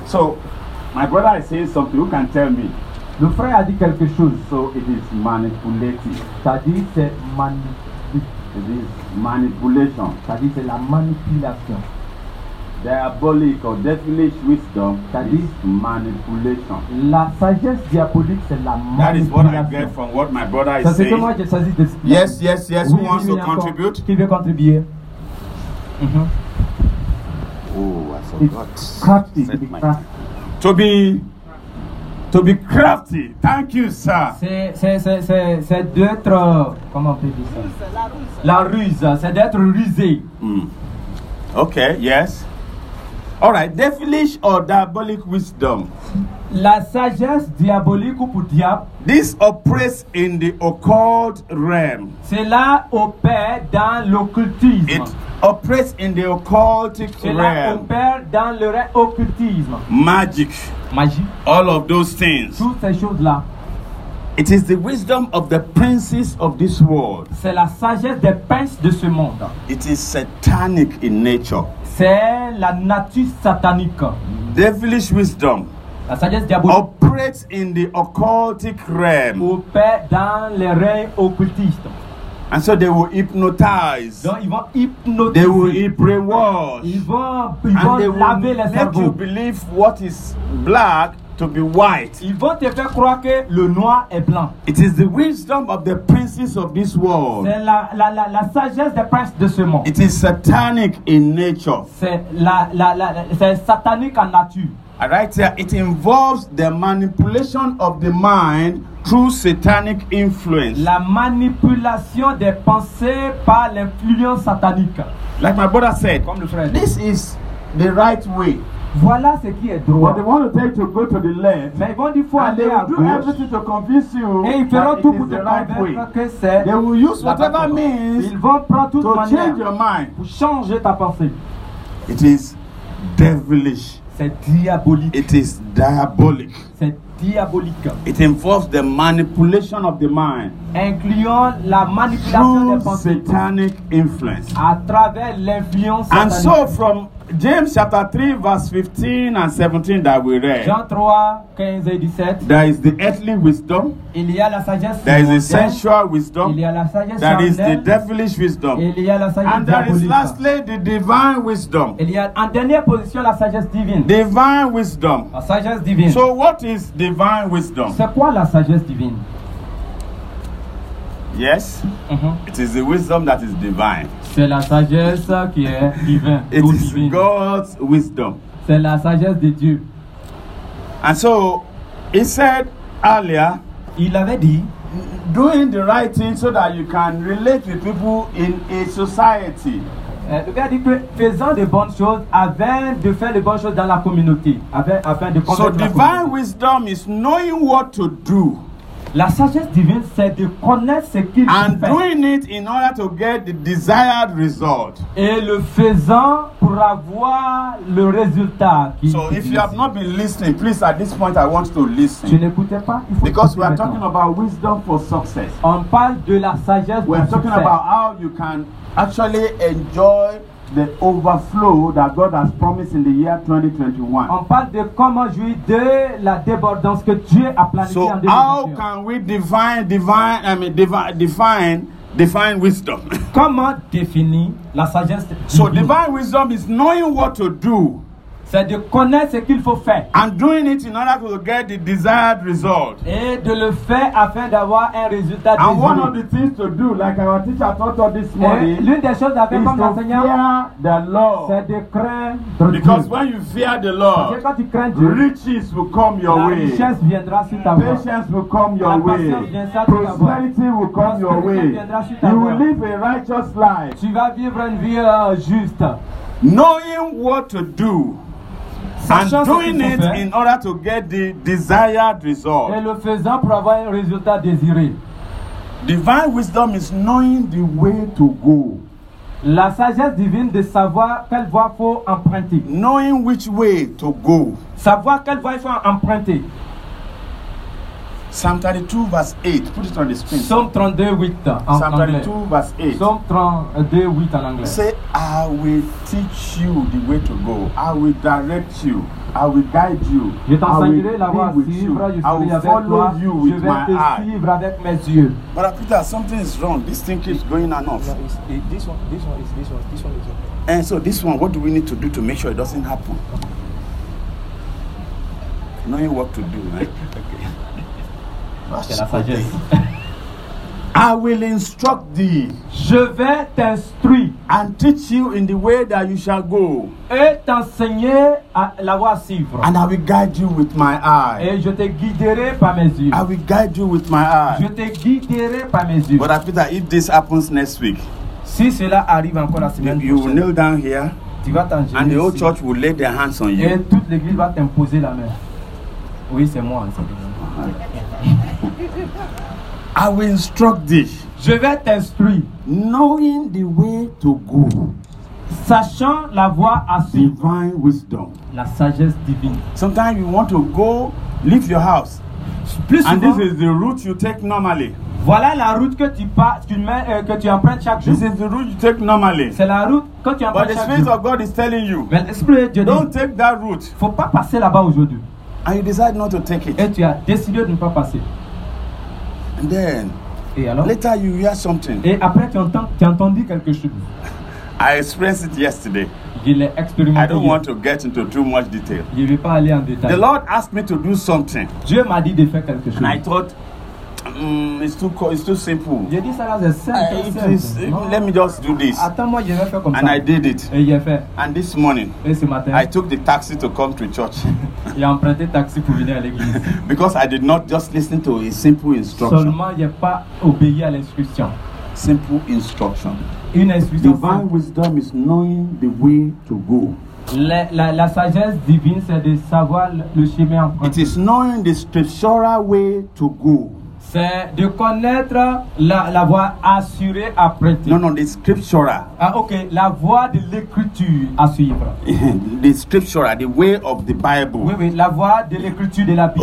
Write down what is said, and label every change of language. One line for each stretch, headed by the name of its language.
English: So, my brother is saying something. Who can tell me?
French: Le frère a dit quelque chose.
English: So it is manipulative.
French: C'est-à-dire c'est manipulation.
English: It is manipulation.
French: C'est-à-dire c'est la manipulation.
English: Diabolic or devilish wisdom, that is manipulation.
French: La sagesse diabolique, c'est la manipulation.
English: That is what I get from what my brother is saying.
French: C'est ce que moi, je sais.
English: Yes.
French: Oui,
English: who wants to contribute?
French: Qui veut contribuer?
English: Oh, I forgot. To be crafty. Thank you, sir.
French: C'est d'être. Comment on peut dire ça? La ruse. C'est d'être rusé.
English: Okay, yes. All right, devilish or diabolic wisdom.
French: La sagesse diabolique ou pour diable.
English: This operates in the occult realm.
French: Cela opère dans l'occultisme.
English: It operates in the occultic realm.
French: Cela opère dans le règne occultisme.
English: Magic. All of those things.
French: Toutes ces choses-là.
English: It is the wisdom of the princes of this world.
French: C'est la sagesse des princes de ce monde.
English: It is satanic in nature.
French: C'est la nature satanique.
English: Devilish wisdom.
French: La sagesse diabolique.
English: Operates in the occultic realm.
French: Opère dans les règnes occultistes.
English: And so they will hypnotize.
French: Donc ils vont hypnotiser.
English: They will brainwash.
French: Ils vont
English: and they
French: laver
English: will make
French: cerveaux.
English: You believe what is black to be white.
French: Ils vont te faire croire que le noir est blanc.
English: It is the wisdom of the princes of this world.
French: C'est la sagesse des princes de ce monde.
English: It is satanic in nature.
French: C'est satanique en nature.
English: All right, it involves the manipulation of the mind through satanic influence.
French: La manipulation des pensées par l'influence satanique.
English: Like my brother said,
French: comme le frère,
English: this is the right way.
French: Voilà ce qui est droit.
English: But they want to tell you to go to the left.
French: Mais ils vont dire faut aller à gauche.
English: And they will do everything to convince you.
French: Et ils feront tout pour te convaincre que c'est.
English: They will use whatever means.
French: Ils vont prendre toute manière.
English: To change your mind.
French: Pour changer ta pensée.
English: It is devilish.
French: C'est diabolique.
English: It is diabolic.
French: C'est diabolique.
English: It involves the manipulation of the mind.
French: Incluant la manipulation des pensées.
English: Satanic influence.
French: À travers l'influence satanique.
English: And so from James chapter 3 verse 15 and 17 that we read.
French: Jean 3, 15 et 17.
English: There is the earthly wisdom.
French: Il y a la sagesse.
English: There is the sensual wisdom.
French: Il y a la sagesse.
English: There is the devilish wisdom.
French: Il y a la sagesse.
English: And there is lastly the divine wisdom.
French: Il y a en dernière position la sagesse divine.
English: Divine wisdom.
French: La sagesse divine.
English: So what is divine wisdom?
French: C'est quoi la sagesse divine?
English: Yes. Mm-hmm. It is the wisdom that is divine.
French: C'est la sagesse qui est divine.
English: It
French: ou
English: is divine. God's wisdom.
French: C'est la sagesse de Dieu.
English: And so he said earlier,
French: il avait dit,
English: doing the right thing so that you can relate with people in a society.
French: Le gars dit que faisant de bonnes choses avant de faire de bonnes choses dans la communauté, afin de comprendre.
English: So divine wisdom is knowing what to do.
French: La sagesse divine, c'est de connaître ce qu'il
English: and
French: faut faire.
English: And doing it in order to get the desired result.
French: Et le faisant pour avoir le résultat.
English: So if you have not been listening, please at this point I want to listen.
French: Tu n'écoutais pas.
English: Because we are talking about wisdom for success.
French: On parle de la sagesse pour le succès.
English: We are talking about how you can actually enjoy the overflow that God has promised in the year 2021.
French: On parle de comment jouir de la débordance que Dieu a planifié
English: so
French: en 2021.
English: So how can we define wisdom?
French: Comment définir la sagesse divine?
English: So divine wisdom is knowing what to do.
French: C'est de connaître ce qu'il faut faire.
English: And doing it in order to get the desired result.
French: Et de le faire afin d'avoir un résultat désiré.
English: And one of the things to do, like our teacher taught us this morning,
French: et l'une des choses à faire comme l'enseignant,
English: the Lord.
French: C'est de craindre
English: Because
French: Dieu.
English: Because when you fear the Lord,
French: parce que quand tu crains Dieu,
English: riches will come your
French: la
English: way.
French: La richesse viendra sur ta voie.
English: Patience will come your
French: la
English: way. Prosperity will come your way.
French: Sur ta
English: you will live a righteous life.
French: Tu vas vivre une vie juste.
English: Knowing what to do. And doing it in order to get the desired result.
French: Et le faisant pour avoir un résultat désiré.
English: Divine wisdom is knowing the way to go.
French: La sagesse divine de savoir quelle voie faut emprunter.
English: Knowing which way to go.
French: Savoir quelle voie faut emprunter.
English: Psalm 32 verse 8. Put it on the screen.
French: Psalm 32:8 en anglais.
English: Psalm 32 verse 8.
French: Psalm 32:8 en anglais.
English: Say, I will teach you the way to go. I will direct you. I will guide you.
French: Je t'enseignerai la voie à suivre.
English: I will follow you with my eye.
French: Je vais te suivre avec mes yeux.
English: But Peter, something is wrong. This thing keeps going on off. This one is okay. And so this one, what do we need to do to make sure it doesn't happen? Knowing what to do, right? Okay. I will instruct thee.
French: Je vais t'instruire.
English: And teach you in the way that you shall go.
French: Et t'enseigner à la voie à suivre.
English: And I will guide you with my eye.
French: Et je te guiderai par mes yeux.
English: I will guide you with my eye.
French: Je te guiderai par mes yeux.
English: But Peter, if this happens next week,
French: si cela arrive encore la semaine prochaine,
English: you will kneel down here.
French: Tu vas t'en
English: and the whole church will lay their hands on
French: et
English: you.
French: Et toute l'église va t'imposer la main. Oui, c'est moi. C'est moi.
English: I will instruct thee.
French: Je vais t'instruire.
English: Knowing the way to go.
French: Sachant la voie à suivre.
English: Divine wisdom.
French: La sagesse divine.
English: Sometimes you want to go leave your house.
French: Plus souvent,
English: and this is the route you take normally.
French: Voilà la route que tu pars, que tu empruntes chaque jour.
English: This is the route you take normally.
French: C'est la route que tu empruntes chaque jour.
English: But the Spirit of God is telling you.
French: Mais l'Esprit de Dieu
English: dit, don't take that route.
French: Faut pas passer là-bas aujourd'hui.
English: And you decide not to take it.
French: Et tu as décidé de ne pas passer.
English: And then,
French: Et alors?
English: Later you hear something.
French: Et après tu entends quelque chose.
English: I experienced it yesterday.
French: Je l'ai expérimenté.
English: I don't want to get into too much detail.
French: Je vais pas aller en détail.
English: The Lord asked me to do something.
French: Dieu m'a dit de faire quelque chose.
English: And I thought, it's too simple.
French: J'ai dit ça là, c'est simple.
English: Let me just do this.
French: Attends-moi, je vais faire comme
English: and And I did it.
French: Et j'ai fait.
English: And this morning,
French: et ce matin,
English: I took the taxi to come to church.
French: J'ai emprunté taxi pour venir à l'église.
English: Because I did not just listen to a simple instruction.
French: Seulement, j'ai pas obéi à l'instruction.
English: Simple instruction.
French: Une instruction.
English: Divine wisdom is knowing the way to go.
French: La sagesse divine, c'est de savoir le chemin emprunté.
English: It is knowing the scriptural way to go.
French: C'est de connaître la voie assurée à prêter. Non,
English: the scriptural.
French: Ah, ok, la voie de l'écriture à suivre.
English: The scriptural, the way of the Bible.
French: Oui, la voie de l'écriture de la Bible.